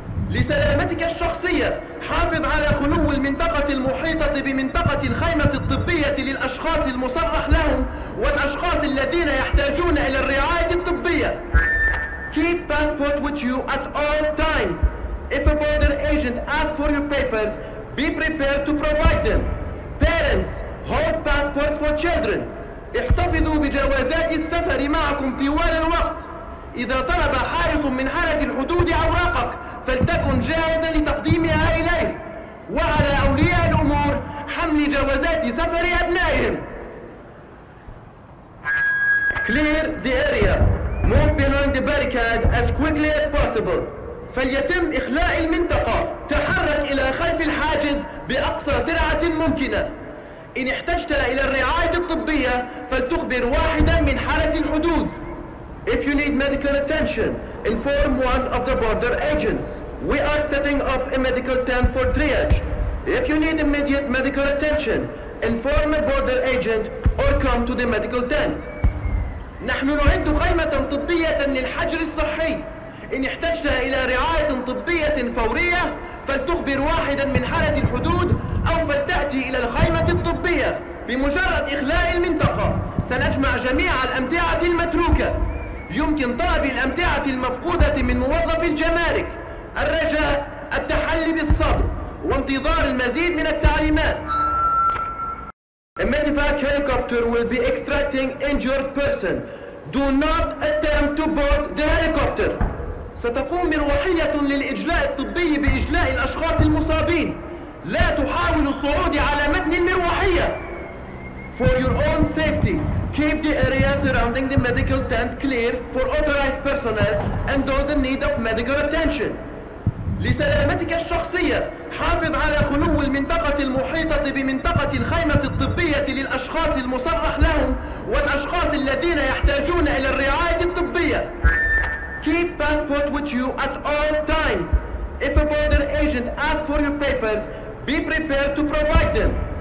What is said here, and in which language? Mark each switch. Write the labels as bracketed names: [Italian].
[Arabic] لسلامتك الشخصية، حافظ على خلو المنطقة المحيطة بمنطقة الخيمة الطبية للأشخاص المصرح لهم والأشخاص الذين يحتاجون إلى الرعاية الطبية. [English] Keep passport with you at all times. If a border agent asks for your papers, be prepared to provide them. Parents, hold passport for children. [Arabic] احتفظوا بجوازات السفر معكم طوال الوقت. إذا طلب حارس من حرس الحدود أوراقك فلتكن جاهزا لتقديمها إليه. وعلى أولياء الأمور حمل جوازات سفر أبنائهم. [English] Clear the area. Move behind the barricade as quickly as possible. [Arabic] فليتم إخلاء المنطقة. تحرك إلى خلف الحاجز بأقصى سرعة ممكنة. إن احتجت إلى الرعاية الطبية فلتخبر واحدا من حرس الحدود. [English] If you need medical attention, inform one of the border agents. We are setting up a medical tent for triage. If you need immediate medical attention, inform a border agent or come to the medical tent. [Arabic] نحن نعد خيمة طبية للحجر الصحي. إن احتجت إلى رعاية طبية فورية فلتخبر واحدا من حرس الحدود أو فلتأتي إلى الخيمة الطبية. بمجرد إخلاء المنطقة سنجمع جميع الأمتعة المتروكة. يمكن طلب الأمتعة المفقودة من موظف الجمارك. الرجاء التحلي بالصبر وانتظار المزيد من التعليمات. [English] A medevac helicopter will be extracting injured person. Do not attempt to board the helicopter. [Arabic] ستقوم مروحية للإجلاء الطبي بإجلاء الأشخاص المصابين. لا تحاول الصعود على متن المروحية. [English] For your own safety, keep the area surrounding the medical tent clear for authorized personnel and those in need of medical attention. [Arabic] لسلامتك الشخصية، حافظ على خلو المنطقة المحيطة بمنطقة الخيمة الطبية للأشخاص المصرح لهم والأشخاص الذين يحتاجون إلى الرعاية الطبية. [English] Keep passport with you at all times. If a border agent asks for your papers, be prepared to provide them.